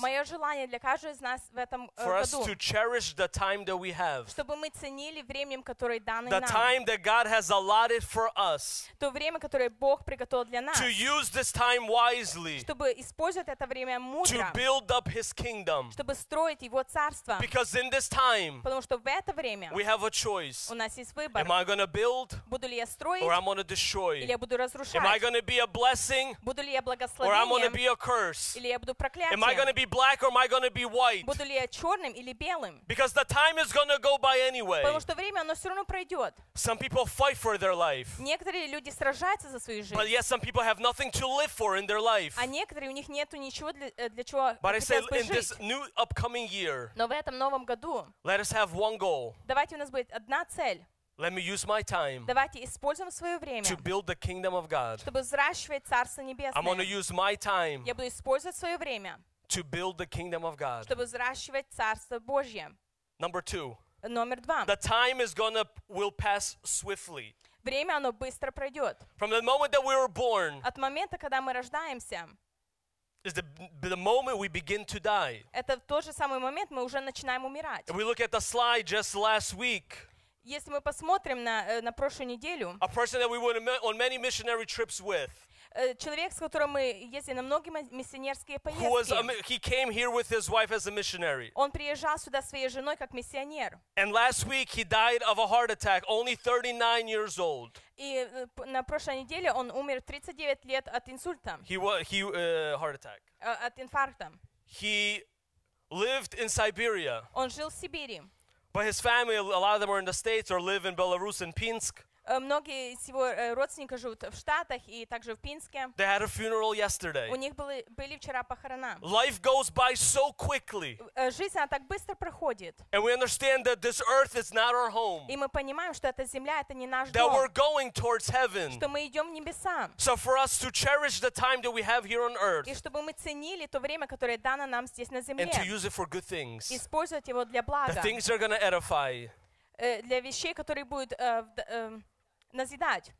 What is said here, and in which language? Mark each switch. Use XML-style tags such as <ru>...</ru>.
<ru>Мое желание для каждого из нас в этом году.</ru> <en>For us to cherish the time that we have.</en> <ru>Чтобы мы ценили временем, которое дано нам.</ru> <en>The time that God has allotted for us.</en> <ru>То время, которое Бог приготовил для нас.</ru> <en>To use this time wisely.</en> <ru>Чтобы использовать это время мудро.</ru> <en>To build up His kingdom.</en> <ru>Чтобы строить Его царство.</ru> <en>Because in this time.</en> <ru>Потому что в это время.</ru> <en>We have a choice.</en> <ru>У нас есть выбор.</ru> <en>Am I going to build?</en> <ru>Буду ли я строить?</ru> <en>Or I'm going to destroy?</en> <ru>Или я буду разрушать?</ru> <en>Am I going to be a blessing?</en> <ru>Буду ли я благословением?</ru> <en>Or I'm going to be a curse?</en> <ru>Или я буду проклятием?</ru> <en>Am I going to be black or am I going to be white?</en> <ru>Буду ли я черным или белым?</ru> <en>Because the time is going to go by anyway.</en> <ru>Потому что время, оно все равно пройдет.</ru> <en>Some people fight for their life.</en> <ru>Некоторые люди сражаются за свою жизнь.</ru> <en>But yet some people have nothing to live for in their life.</en> <ru>А некоторые, у них нету ничего для чего жить.</ru> <en>But I say in this new upcoming year.</en> <ru>Но в этом новом году.</ru> <en>Let us have one goal.</en> <ru>Давайте у нас будет одна цель.</ru> <en>Let me use my time.</en> <ru>Давайте используем свое время.</ru> <en>To build the kingdom of God.</en> <ru>Чтобы взращивать Царство Небесное.</ru> <en>I'm going to use my time.</en> <ru>Я буду использовать свое время.</ru> <en>To build the kingdom of God.</en> <ru>Чтобы взращивать Царство Божье.</ru> <en>Number two.</en> <ru>Номер два.</ru> <en>The time is going to will pass swiftly.</en> <ru>Время оно быстро пройдет.</ru> <en>From the moment that we were born.</en> <ru>От момента, когда мы рождаемся.</ru> <en>Is the moment we begin to die.</en> <ru>Это тот же самый момент, мы уже начинаем умирать.</ru> <en>If we look at the slide just last week.</en> <ru>Если мы посмотрим на прошлую неделю,</ru> <en>a person that we went on many missionary trips with,</en> <ru>человек, с которым мы ездили на многие миссионерские поездки,</ru> <en>he came here with his wife as a missionary.</en> <ru>Он приезжал сюда своей женой как миссионер.</ru> <en>And last week he died of a heart attack, only 39 years old.</en> <ru>И на прошлой неделе он умер 39 лет от инсульта.</ru> <en>Heart attack.</en> <ru>От инфаркта.</ru> <en>He lived in Siberia.</en> <ru>Он жил в Сибири.</ru> <en>But his family, a lot of them are in the States or live in Belarus and Pinsk.</en> <ru>Многие из его родственников живут в Штатах и также в Пинске.</ru> <en>They had a funeral yesterday.</en> <ru>У них были вчера похорона.</ru> <en>Life goes by so quickly.</en> <ru>Жизнь, она так быстро проходит.</ru> <en>And we understand that this earth is not our home.</en> <ru>И мы понимаем, что эта земля, это не наш дом.</ru> <en>That we're going towards heaven.</en> <ru>Что мы идем к небесам.</ru> <en>So for us to cherish the time that we have here on earth.</en> <ru>И чтобы мы ценили то время, которое дано нам здесь на земле.</ru> <en>And to use it for good things.</en> <ru>Использовать его для блага.</ru> <en>The things are going to edify.</en> <ru>Для вещей, которые будут назидать.</ru>